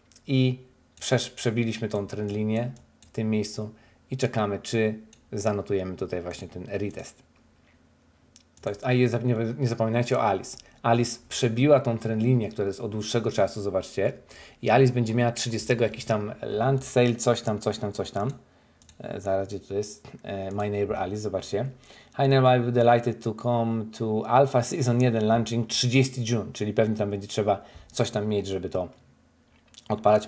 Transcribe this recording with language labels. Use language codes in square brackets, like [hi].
[pl] I przebiliśmy tą trend linię w tym miejscu i czekamy, czy zanotujemy tutaj właśnie ten retest. To jest, nie zapominajcie o Alice. Alice przebiła tą trendlinię, która jest od dłuższego czasu, zobaczcie. I Alice będzie miała 30 jakiś tam land sale, coś tam. Zaraz, gdzie to jest? My neighbor Alice, zobaczcie. [en] Hi neighbor, I'm delighted to come to Alpha Season 1 launching 30 June. [pl] Czyli pewnie tam będzie trzeba coś tam mieć, żeby to odpalać.